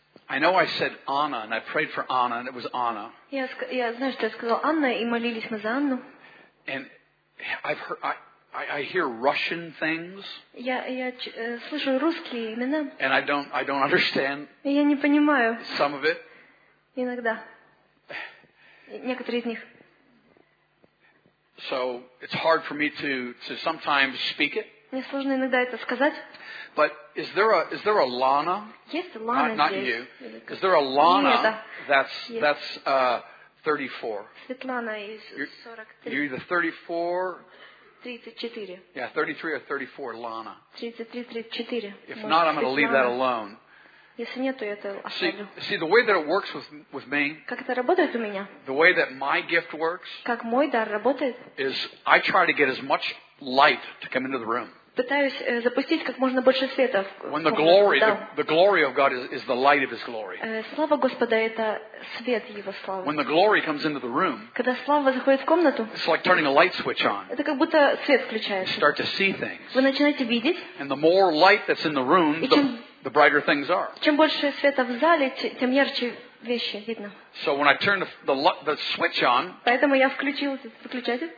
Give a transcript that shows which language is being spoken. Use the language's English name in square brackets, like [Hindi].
[English] I know I said Anna, and I prayed for Anna, and it was Anna. [Russian] Я знаю, что я сказал Анна, и молились мы за Анну. [English] And I've heard, I hear Russian things. [Russian] Я слышу русские имена. [English] And I don't understand. [Russian] Я не понимаю. [English] Some of it. [Russian] Иногда. Некоторые из них. [English] So it's hard for me to sometimes speak it. [Russian] Мне сложно иногда это сказать. [English] But is there a Lana? [Russian] Есть Лана здесь. [English] Not you. Is there a Lana that's 34? [Russian] Светлана из 43. [English] You're either 34. [Russian] 34. [English] Yeah, 33 or 34, Lana. [Russian] 33-34. [English] If not, I'm going to leave that alone. [Russian] Если нет, то я это оставлю. [English] See, the way that it works with me. [Russian] Как это работает у меня? [English] The way that my gift works. [Russian] Как мой дар работает? [English] Is I try to get as much light to come into the room. [Russian] Пытаюсь запустить как можно больше света. [English] When the glory of God is the light of His glory. [Russian] Слава Господа — это свет Его славы. [English] When the glory comes into the room. [Russian] Когда слава заходит в комнату. [English] It's like turning a light switch on. [Russian] Это как будто свет включается. [English] You start to see things. [Russian] Вы начинаете видеть. [English] And the more light that's in the room, the brighter things are. [Russian] Чем больше света в зале, тем ярче вещи видно. [English] So when I turn the switch on. [Russian] Поэтому я включил этот выключатель.